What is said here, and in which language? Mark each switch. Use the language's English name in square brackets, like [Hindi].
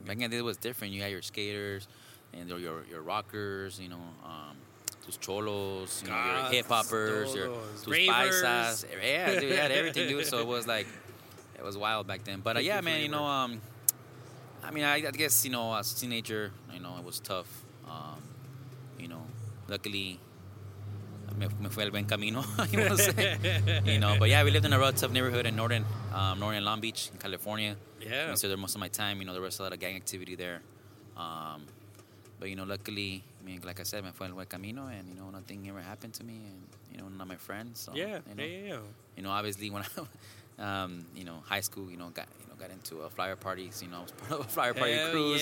[English] Back then, it was different. You had your skaters and your rockers, you know, [Spanish] tus cholos, [English] you know, your hip-hoppers, [Spanish] tus paisas. [English] Yeah, dude, you had everything, dude. So it was, like, it was wild back then. But, yeah, man, you know, I mean, I guess, you know, as a teenager, you know, it was tough. You know, luckily... [Spanish] Me fue el buen camino, [English] you know what I'm saying? You know, but yeah, we lived in a real tough neighborhood in Northern Long Beach, in California. Yeah. I stayed there most of my time. You know, there was a lot of gang activity there. But, you know, luckily, I mean, like I said, [Spanish] me fue el buen camino, [English] and, you know, nothing ever happened to me, and, you know, none of my friends. So, yeah. You know, obviously, when I, you know, high school, you know, got into a flyer parties, you know, I was part of a flyer party crew.